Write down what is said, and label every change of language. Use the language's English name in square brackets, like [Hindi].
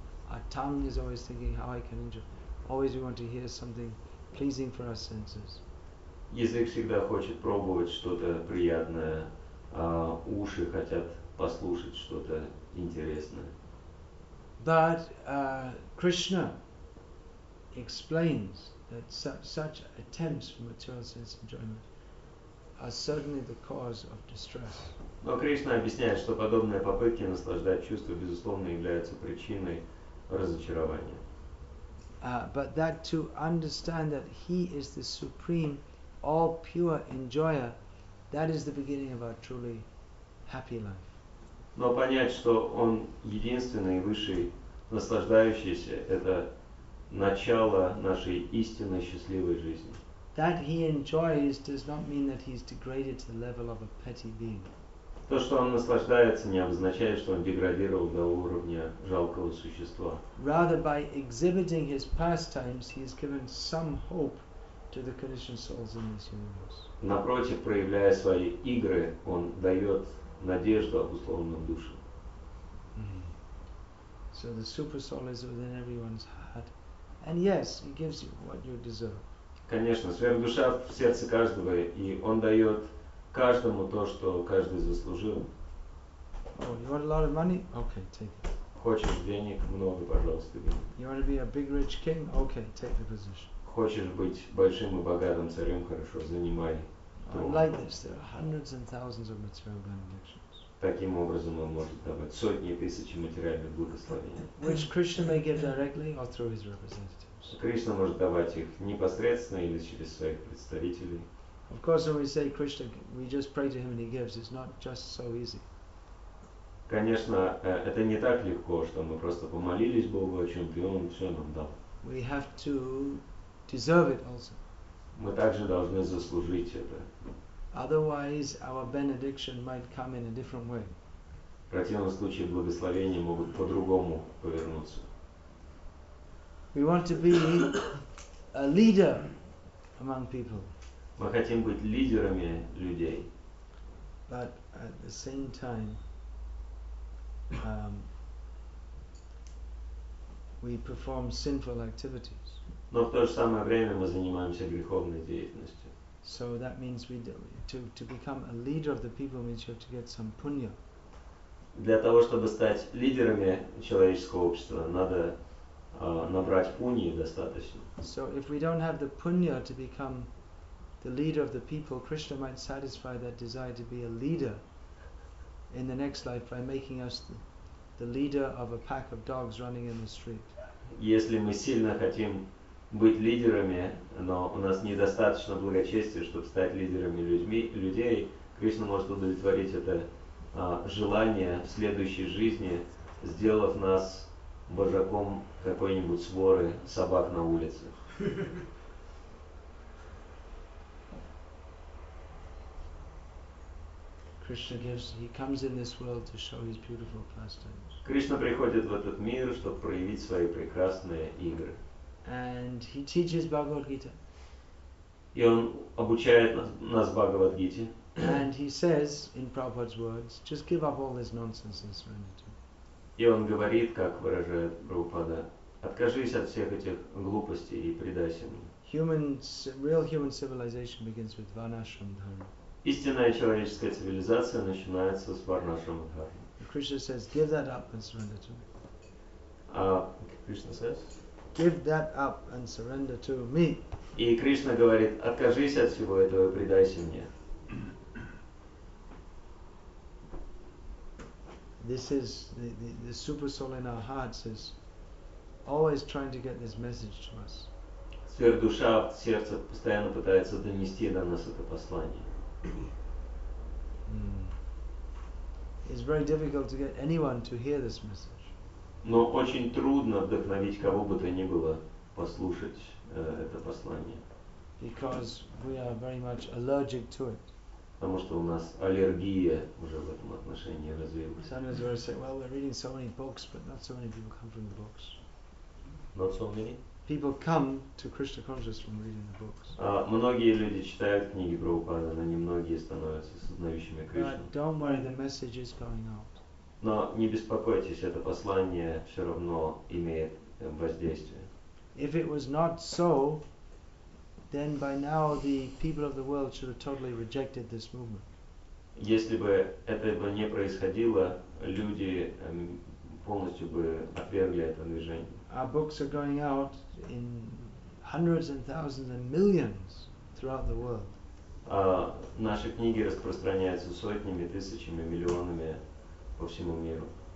[English] Our tongue is always thinking how I can enjoy. Always we want to hear something pleasing for our senses. [Russian] Язык всегда хочет пробовать что-то приятное. Уши хотят послушать что-то интересное. [English] But Krishna explains that such attempts for material sense enjoyment are certainly the cause of distress. [Russian] Но Кришна объясняет, что подобные попытки наслаждать чувства, безусловно, являются причиной разочарования. [English] But that to understand that he is the supreme, all pure enjoyer, that is the beginning of our truly happy life. [Russian] Но понять, что он единственный и высший наслаждающийся, это начало нашей истинной счастливой жизни. [English] That he enjoys does not mean that he's degraded to the level of a petty being. [Russian] То, что он наслаждается, не обозначает, что он деградировал до уровня жалкого существа. [English] Rather, by exhibiting his pastimes, he has given some hope to the conditioned souls in this universe. [Russian] Напротив, проявляя свои игры, он дает надежду обусловленным душам. Mm-hmm. [English] So the super soul is within everyone's heart, and yes, it gives you what you deserve. [Russian] Конечно, сверхдуша в сердце каждого, и он дает каждому то, что каждый заслужил. [English] Oh, you want a lot of money? Okay, take it. [Russian] Хочешь денег? Много, пожалуйста, денег. [English] You want to be a big rich king? Okay, take the position. [Russian] Хочешь быть большим и богатым царем? Хорошо, занимай трон. [English] I'm like this. There are hundreds and thousands of material benedictions. [Russian] Таким образом, он может давать сотни и тысячи материальных благословений. [English] Which Krishna may give directly or through his representative. [Russian] Кришна может давать их непосредственно или через своих представителей. [English] Of course, when we say Krishna, we just pray to him and he gives. It's not just so easy. [Russian] Конечно, это не так легко, что мы просто помолились Богу о чем-то, и он все нам дал. [English] We have to deserve it also. [Russian] Мы также должны заслужить это. [English] Otherwise, our benediction might come in a different way. [Russian] В противном случае благословения могут по-другому повернуться. [English] We want to be a leader among people. [Russian] Мы хотим быть лидерами людей. [English] But at the same time, we perform sinful activities. [Russian] Но в то же самое время мы занимаемся греховной деятельностью. [English] So that means we to become a leader of the people means you have to get some punya. [Russian] Для того, чтобы стать лидерами человеческого общества, надо набрать пуньи достаточно. [English] So if we don't have the punya to become the leader of the people, Krishna might satisfy that desire to be a leader in the next life by making us the leader of a pack of dogs running in the street. [Russian] Если мы сильно хотим быть лидерами, но у нас недостаточно благочестия, чтобы стать лидерами людей, Кришна может удовлетворить это желание в следующей жизни, сделав нас божаком какой-нибудь своры собак на улице. [English] Krishna gives. He comes in this world to show his beautiful pastimes. [Russian] Кришна приходит в этот мир, чтобы проявить свои прекрасные игры. [English] And he teaches Bhagavad Gita. [Russian] И он обучает нас Бхагавад Гите. [English] And he says, in Prabhupada's words, just give up all this nonsense and surrender to. [Russian] И он говорит, как выражает Прабхупада, откажись от всех этих глупостей и предайся мне. [English] Real human civilization begins with Varnashram Dharma. [Russian] Истинная человеческая цивилизация начинается с Варнашрама Дхармы. [English] Krishna says, give that up and surrender to me. Krishna says, give that up and surrender to me. [Russian] И Кришна говорит, откажись от всего этого и предайся мне. [English] This is the super soul in our hearts is always trying to get this message to us. [Russian] Сверхдуша в сердце постоянно пытается донести до нас это послание. [English] It's very difficult to get anyone to hear this message. [Russian] Но очень трудно вдохновить кого бы то ни было послушать это послание. [English] Because we are very much allergic to it. [Russian] Потому что у нас аллергия уже в этом отношении развилась. [English] Sometimes we say, well, we're reading so many books, but not so many people come from the books. Not so many? People come to Krishna consciousness from reading the books. [Russian] Многие люди читают книги Прабхупады, но немногие становятся сознающими Кришну. [English] But don't worry, the message is going out. [Russian] Но не беспокойтесь, это послание все равно имеет воздействие. [English] If it was not so, then by now the people of the world should have totally rejected this movement. [Russian] Если бы этого не происходило, люди полностью бы отвергли это движение. [English] Our books are going out in hundreds and thousands and millions throughout the world. [Russian] Наши книги распространяются сотнями, тысячами, миллионами по всему миру.